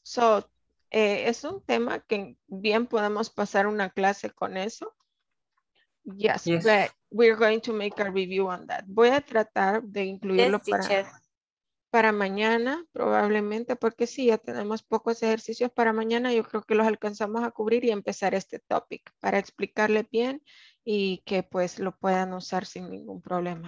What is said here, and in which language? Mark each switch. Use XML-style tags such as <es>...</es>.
<es>So es un tema que bien podemos pasar una clase con eso.</es> <en>Yes, yes, but we're going to make a review on that.</en> <es>Voy a tratar de incluirlo para mañana, probablemente, porque sí, ya tenemos pocos ejercicios para mañana. Yo creo que los alcanzamos a cubrir y empezar este topic para explicarle bien y que pues lo puedan usar sin ningún problema.</es>